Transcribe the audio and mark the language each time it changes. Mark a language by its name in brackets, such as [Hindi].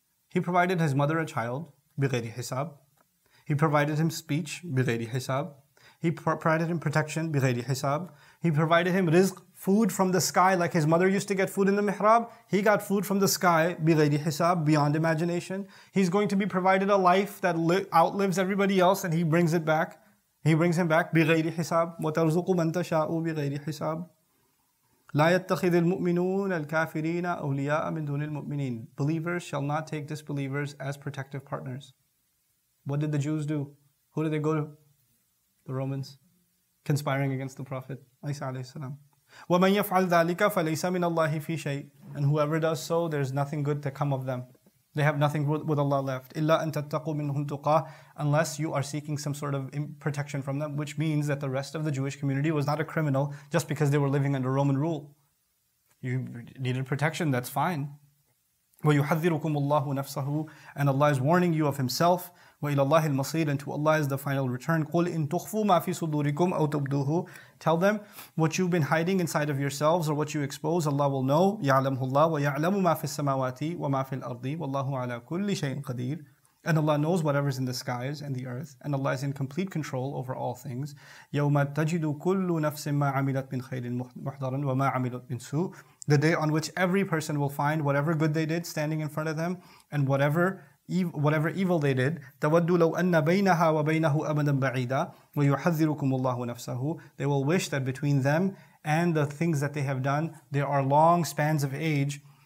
[English] He provided his mother a child, [Arabic] بِغَيْرِ حِسَابٍ. [English] He provided him speech, بِغَيْرِ حِسَابٍ. He provided him protection, [Arabic] بِغَيْرِ حِسَابٍ. [English] He provided him rizq, food from the sky, like his mother used to get food in the mihrab. He got food from the sky, [Arabic] بِغَيْرِ حِسَابٍ, [English] beyond imagination. He's going to be provided a life that outlives everybody else, and he brings it back. He brings him back, [Arabic] بِغَيْرِ حِسَابٍ وَتَرْزُقُ مَنْ تَشَاءُ بِغَيْرِ حِسَابٍ لَا يَتَّخِذِ الْمُؤْمِنُونَ الْكَافِرِينَ أَوْلِيَاءَ مِنْ دُونِ الْمُؤْمِنِينَ [English] Believers shall not take disbelievers as protective partners. What did the Jews do? Who did they go to? The Romans, conspiring against the Prophet, Isa alayhi salam. [Arabic] وَمَنْ يَفْعَلْ ذَلِكَ فَلَيْسَ مِنَ اللَّهِ فِي شَيْءٍ [English] And whoever does so, there's nothing good to come of them. They have nothing with Allah left. [Arabic] إِلَّا أَن تَتَّقُوا مِنْهُمْ تُقَاهُ [English] Unless you are seeking some sort of protection from them, which means that the rest of the Jewish community was not a criminal just because they were living under Roman rule. You needed protection, that's fine. [Arabic] وَيُحَذِّرُكُمُ اللَّهُ نَفْسَهُ [English] And Allah is warning you of Himself. [Arabic] وَإِلَى اللَّهِ الْمَصِيرُ [English] And to Allah is the final return. [Arabic] قُلْ إِن تُخْفُوا مَا فِي صُدُورِكُمْ أَوْ تُبْدُوهُ [English] Tell them, what you've been hiding inside of yourselves or what you expose, Allah will know. [Arabic] يَعْلَمُهُ اللَّهُ وَيَعْلَمُ مَا فِي السَّمَاوَاتِ وَمَا فِي الْأَرْضِ وَاللَّهُ عَلَى كُلِّ شَيْءٍ قَدِيرٌ [English] And Allah knows whatever's in the skies and the earth. And Allah is in complete control over all things. [Arabic] يَوْمَ تَجِدُ كُلُّ نَفْسٍ مَا عَمِلَتْ مِنْ خَيْرٍ مُحْضَرًا وَمَا عَمِلَتْ مِنْ سُوءٍ [English] The day on which every person will find whatever good they did standing in front of them and whatever evil they did, [Arabic] تَوَدُّ لَوْ أَنَّ بَيْنَهَا وَبَيْنَهُ أَبَدًا بَعِيدًا وَيُحَذِّرُكُمُ اللَّهُ نَفْسَهُ [English] They will wish that between them and the things that they have done, there are long spans of age.